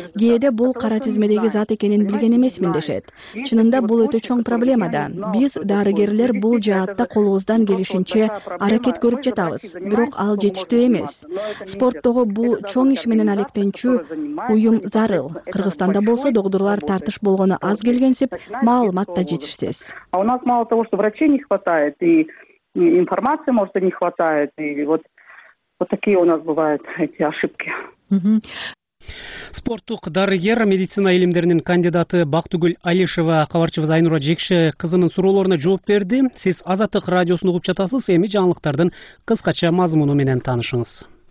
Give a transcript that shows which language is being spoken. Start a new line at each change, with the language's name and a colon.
Kyrgyz: Кээде бул кара тизмедеги зат экенин билген эмесмин дешет. Чынында бул өтө чоң проблема да. Биз дарыгерлер бул жаатта колубуздан келишинче аракет көрүп жатабыз, бирок ал жетиштүү эмес. Спорттогу бул чоң иш менен алектенчү уюм зарыл. Кыргызстанда болсо доктурлар тартыш болгону аз келгенсип, маалымат да жетишсиз.
Russian: А у нас мало того, что врачей не хватает, и информации, может, и не хватает, и вот такие у нас бывают эти ошибки.
Kyrgyz: Спорттук дарыгер, медицина илимдеринин кандидаты Бактыгүл Алишева кабарчыбыз Айнура Жекши кызынын суроолоруна жооп берди. Сиз Азаттык радиосун угуп жатасыз, эми жаңылыктардын кыскача мазмуну менен таанышыңыз.